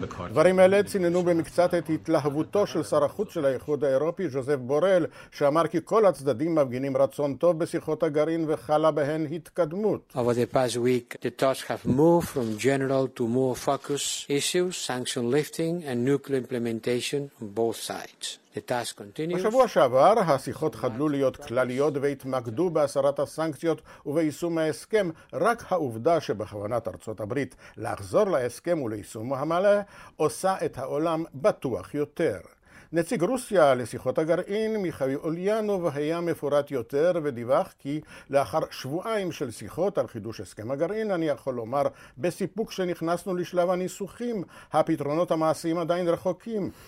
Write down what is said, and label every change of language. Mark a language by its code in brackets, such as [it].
[he] דברים האלה ציננו במקצת את התלהבותו של שר החוץ של האיחוד האירופי ג'וזף בורל, שאמר כי כל הצדדים מפגינים רצון טוב בשיחות הגרעין וחלה בהן התקדמות. [en] Over the past week, the talks have moved from general to more focus issues, sanction lifting and nuclear implementation on both sides. [he] בשבוע שעבר השיחות חדלו להיות כלליות והתמקדו בהסרת הסנקציות וביישום ההסכם. רק העובדה שבכוונת ארצות הברית להחזור להסכם וליישום המלא עושה את העולם בטוח יותר. נציג רוסיה לשיחות הגרעין, מיכאי אוליאנוב, היה מפורט יותר ודיווח כי לאחר שבועיים של שיחות על חידוש הסכם הגרעין, אני יכול לומר, בסיפוק שנכנסנו לשלב הניסוחים, הפתרונות המעשיים עדיין רחוקים.